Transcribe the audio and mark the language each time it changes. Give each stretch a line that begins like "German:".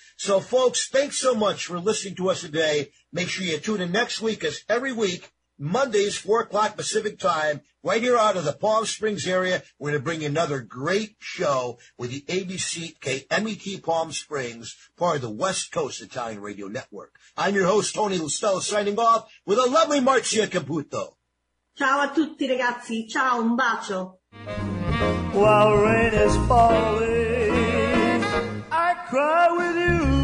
English: So, folks, thanks so much for listening to us today. Make sure you tune in next week, as every week, Mondays, 4 o'clock Pacific time, right here out of the Palm Springs area, we're going to bring you another great show with the ABC KMET Palm Springs, part of the West Coast Italian Radio Network. I'm your host, Tony Lestella, signing off with a lovely Marcia Caputo.
Italian: Ciao a tutti ragazzi, ciao, un bacio.
English: While rain is falling, I cry with you.